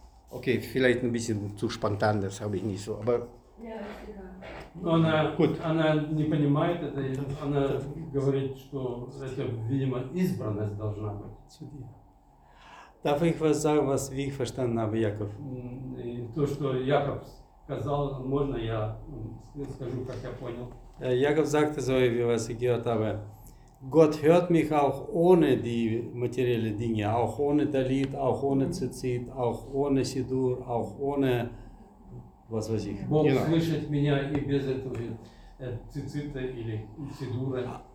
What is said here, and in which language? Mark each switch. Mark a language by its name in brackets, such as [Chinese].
[German] Okay, vielleicht ein bisschen zu spontan, das habe ich nicht so, aber... [Russian] Она, gut. Она не понимает это, она говорит, что это, видимо, избранность должна быть. [German] Darf ich was sagen, was wie ich verstanden habe, Яков? [Russian] То, что Яков сказал, можно я скажу, как я понял? [German] Яков sagte so, wie was ich gehört habe. Gott hört mich auch ohne die materiellen Dinge, auch ohne Dalit, auch ohne Tzitzit, auch ohne Siddur, auch ohne was weiß ich. [Russian] Бог слышит меня и без этого Tzitzit или Siddur.